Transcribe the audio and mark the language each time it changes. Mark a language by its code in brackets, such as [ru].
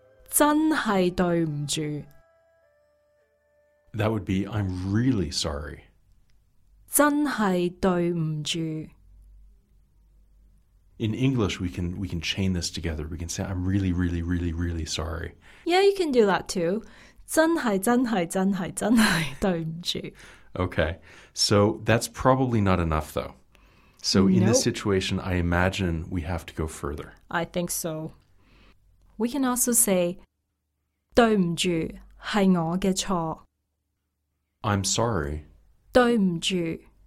[zh] 真係對唔住。 [en] That would be, I'm really sorry. [zh] 真係對唔住。 [en] In English, we can chain this together. We can say, I'm really, really, really, really sorry. Yeah, you can do that too. [zh] 真係真係真係真係對唔住。 [en] Okay, so that's probably not enough though. So in nope. this situation, I imagine we have to go further. I think so. We can also say, [zh] 對唔住係我嘅錯。 [en] I'm sorry. [zh] 對唔住。